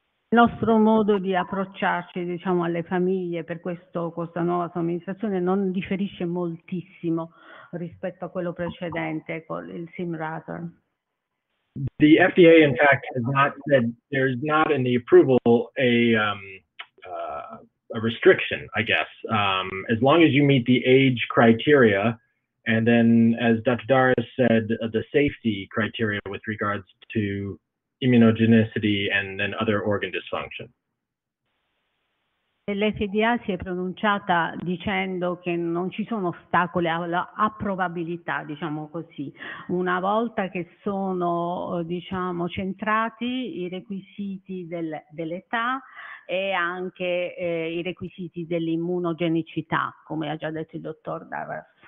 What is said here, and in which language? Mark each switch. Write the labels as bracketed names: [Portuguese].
[Italian] Il nostro modo di approcciarci, diciamo, alle famiglie per questa nuova somministrazione non differisce moltissimo rispetto a quello precedente con il Spinraza. [English] The FDA, in fact, has not said there's not in the approval a restriction, I guess. As long as you meet the age criteria, and then, as Dr. Darras said, the safety criteria with regards to immunogenicity and then other organ dysfunction. [Italian] L'FDA si è pronunciata dicendo che non ci sono ostacoli alla approvabilità, diciamo così. Una volta che sono, diciamo, centrati i requisiti dell'età e anche i requisiti dell'immunogenicità, come ha già detto il dottor Darras.